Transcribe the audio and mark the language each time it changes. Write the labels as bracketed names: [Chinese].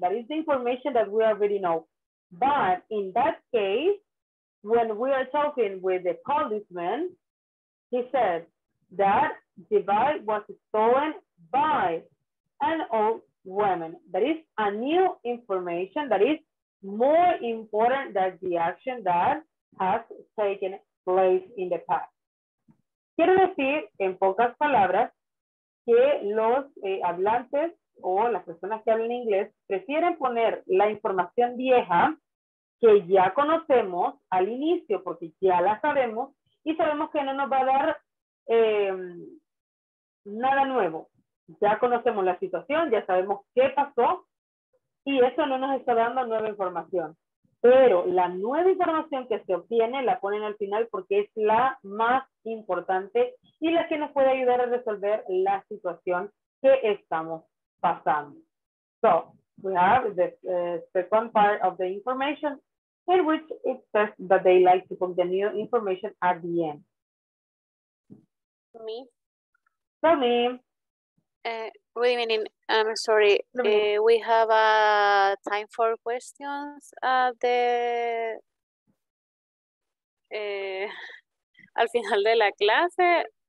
[English] That is the information that we already know. But in that case, when we are talking with the policeman, he said that the bike was stolen by an old woman. That is a new information that is more important than the action that has taken place in the past. [Spanish] Quiero decir, en pocas palabras, que los hablantes o las personas que hablan inglés prefieren poner la información vieja que ya conocemos al inicio porque ya la sabemos y sabemos que no nos va a dar nada nuevo. Ya conocemos la situación, ya sabemos qué pasó y eso no nos está dando nueva información. Pero la nueva información que se obtiene la ponen al final porque es la más importante y la que nos puede ayudar a resolver la situación que estamos pasando. [English] So, we have the second part of the information in which it says that they like to put the new information at the end. Me? Tell me. Good evening. I'm sorry. We have a time for questions at the [Spanish] al final de la clase